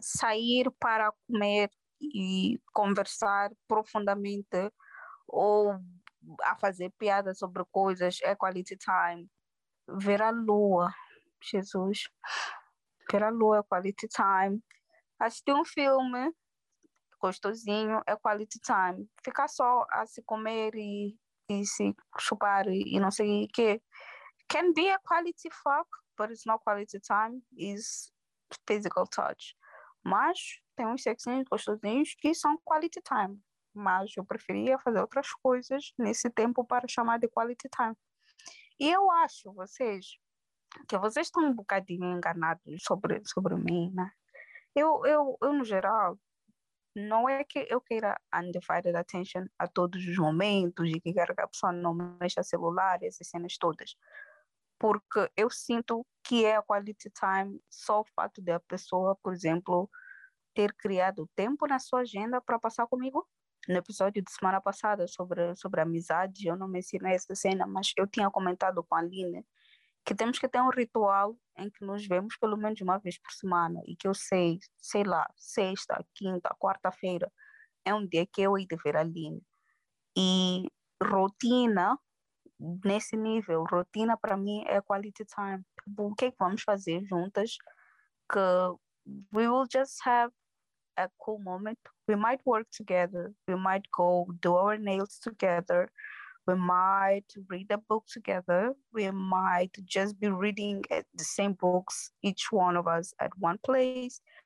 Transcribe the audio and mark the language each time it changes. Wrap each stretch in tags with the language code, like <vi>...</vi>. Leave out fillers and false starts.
<pt>Sair para comer e conversar profundamente ou a fazer piada sobre coisas é quality time. Ver a lua, Jesus. Ver a lua é quality time. Assistir um filme gostosinho é quality time. Ficar só a se comer e se chupar e não sei o quê.</pt> <en>Can be a quality fuck, but it's not quality time, is physical touch.</en> <pt>Mas tem uns sexinhos gostosinhos que são quality time. Mas eu preferia fazer outras coisas nesse tempo para chamar de quality time. E eu acho, vocês, que vocês estão um bocadinho enganados sobre mim, né? Eu, no geral, não é que eu queira undivided attention a todos os momentos e que quero que a pessoa não mexa celular, essas cenas todas. Porque eu sinto que é a quality time só o fato da pessoa, por exemplo, ter criado tempo na sua agenda para passar comigo. No episódio de semana passada sobre amizade, eu não mencionei essa cena, mas eu tinha comentado com a Aline que temos que ter um ritual em que nos vemos pelo menos uma vez por semana e que eu sei lá, sexta, quinta, quarta-feira é um dia que eu hei de ver a Aline. E rotina. Nesse nível, rotina para mim é quality time. O que é que vamos fazer juntas?</pt> <en>Que we will just have a cool moment. We might work together. We might go do our nails together. We might read a book together. We might just be reading the same books, each one of us at one place.</en>